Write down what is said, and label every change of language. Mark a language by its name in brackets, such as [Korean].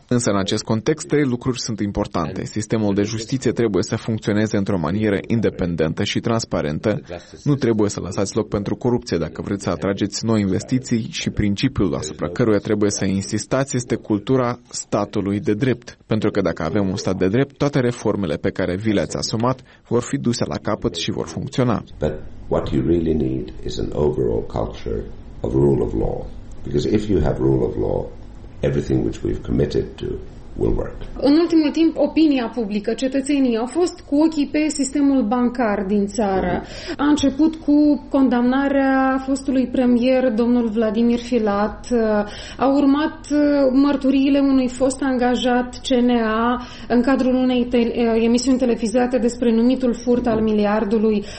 [Romanian] Însă în acest context, 3 lucruri sunt importante. Sistemul de justiție trebuie să funcționeze într-o manieră independentă și transparentă. Nu trebuie să lăsați loc pentru corupție dacă vreți să atrageți noi investiții și principiul asupra căruia trebuie să insistați este cultura statului de drept. Pentru că dacă avem un stat de drept, toate reformele pe care vi le-ați asumat vor fi duse la capăt și vor funcționa. [English] But what you really need is an overall culture of rule of law. Because if you have rule of law, everything which we've committed to will work. [Romanian] În ultimul timp, opinia publică, cetățenii, au fost cu ochii pe sistemul bancar din țară. A început cu condamnarea fostului premier, domnul Vladimir Filat. A urmat mărturiile unui fost angajat CNA în cadrul unei emisiuni televizate despre numitul furt al miliardului.